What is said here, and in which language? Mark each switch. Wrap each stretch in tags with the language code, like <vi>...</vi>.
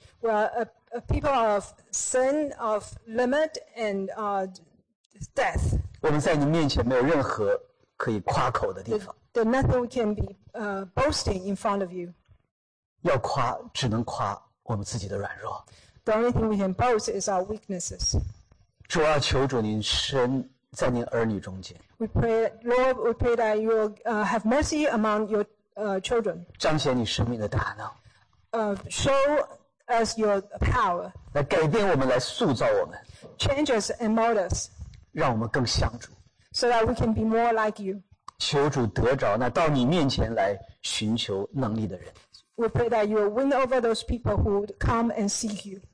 <en>We are a people of sin, of limit, and death.</en> <zh>我们在你面前没有任何可以夸口的地方。</zh> <en>There's nothing we can be boasting in front of you.</en> <zh>要夸，只能夸我们自己的软弱。</zh> <en>The only thing we can boast is our weaknesses.</en> <zh>主要求主您伸在您儿女中间。</zh> <en>We pray, Lord, we pray that you will have mercy among your children.</en> <zh>彰显你生命的大能。</zh> <en>Show as your power.</en> <zh>来改变我们，来塑造我们。</zh> <en>Changes and mold us.</en> <zh>让我们更像主。</zh> <en>So that we can be more like you.</en> <zh>求主得着那到你面前来寻求能力的人。</zh> <en>We pray that you will win over those people who would come and seek you.</en>